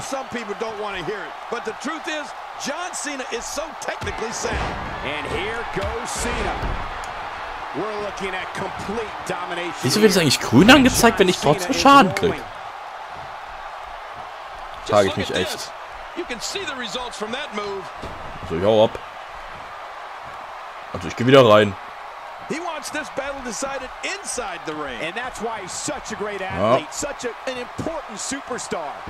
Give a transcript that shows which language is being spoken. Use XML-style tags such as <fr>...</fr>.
<en>Some people don't want to hear it, but the truth is, John Cena is so technically sound. And here goes Cena. We're looking at complete domination.</en> <de>Wieso wird es eigentlich grün angezeigt, wenn ich trotzdem Schaden kriege? Frage ich mich echt.</de> <en>You can see the results from that move.</en> <de>So, ich hau ab. Also, ich gehe wieder rein.</de> <en>He wants this battle decided inside the ring. And that's why he's such a great athlete, such an important superstar.</en>